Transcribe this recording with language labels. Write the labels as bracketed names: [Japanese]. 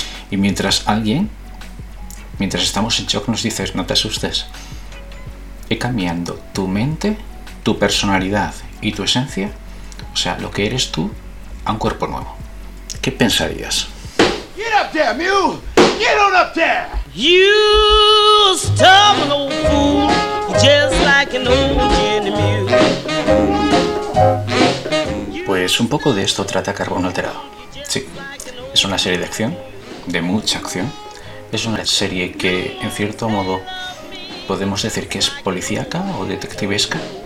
[Spanish] Y mientras alguien, mientras estamos en shock, nos dice, no te asustes, he cambiado tu mente, tu personalidad y tu esencia, o sea, lo que eres tú, a un cuerpo nuevo. ¿Qué pensarías? [English] Get up there, Mew! Get on up there! You stubborn old fool, just like an old enemy. [Spanish] Pues un poco de esto trata Carbono Alterado. Sí, es una serie de acción, de mucha acción. Es una serie que, en cierto modo, podemos decir que es policíaca o detectivesca.